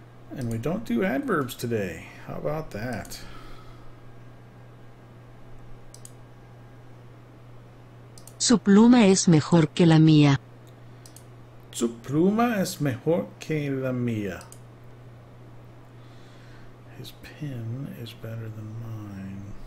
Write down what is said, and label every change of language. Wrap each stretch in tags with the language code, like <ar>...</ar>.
<en>And we don't do adverbs today, how about that?</en> <es>Su pluma es mejor que la mía. Su pluma es mejor que la mía.</es> <en>His pen is better than mine.</en>